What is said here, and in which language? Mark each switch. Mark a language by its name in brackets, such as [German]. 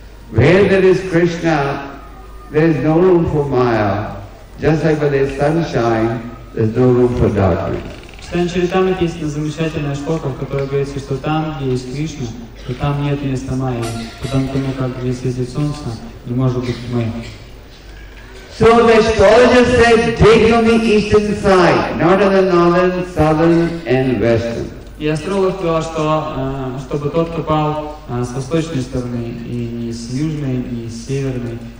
[English] Where there is Krishna, there is no room for Maya. Just like when there is sunshine, there is no room for darkness. [Russian] В Читании Чаритамриты есть одна замечательная штука, в которой говорится, что там, где есть Кришна, то там нет места Майи. Потому как где светит солнце, не может быть тьмы. [English] So the astrologer said, dig on the eastern side, not on the northern, southern and western. [Russian] И астролог сказал, что чтобы тот копал с восточной стороны, и не с южной, и с северной.